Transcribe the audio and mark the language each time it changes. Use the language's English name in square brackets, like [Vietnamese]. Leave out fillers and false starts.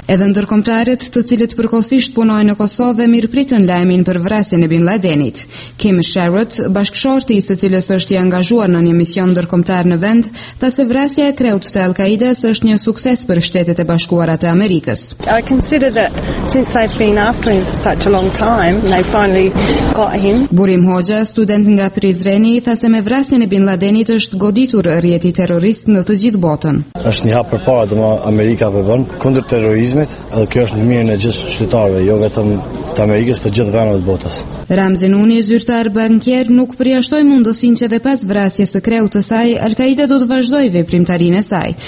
[Albanian] Edhe ndërkombëtarët të cilët përkohësisht punojnë në Kosovë mirë pritën lajmin për vrasjen e Bin Ladenit. Kim Sherrod, bashkëshorti së cilës është i angazhuar në një mision ndërkombëtar në vend, tha se vrasja e kreut të Al-Qaidas është një sukses për Shtetet e Bashkuara të Amerikës. [English] I consider that since they've been after him for such a long time, they finally got him. [Albanian] Burim Hoxha, student nga Prizreni, tha se me vrasjen e Bin Ladenit është goditur rrjeti terrorist në të gjithë botën. Është një hap përpara domo Amerika vepron kundër terrorizmit. Edhe kjo është në mirën e gjithë qytetarëve, jo vetëm të Amerikës, për gjithë vendet botës. Ramzi Nuni, zyrtar bankier, nuk përjashtoi mundësinë që edhe pas vrasjes së kreut të saj, Al-Qaida do të vazhdojë veprimtarinë e saj.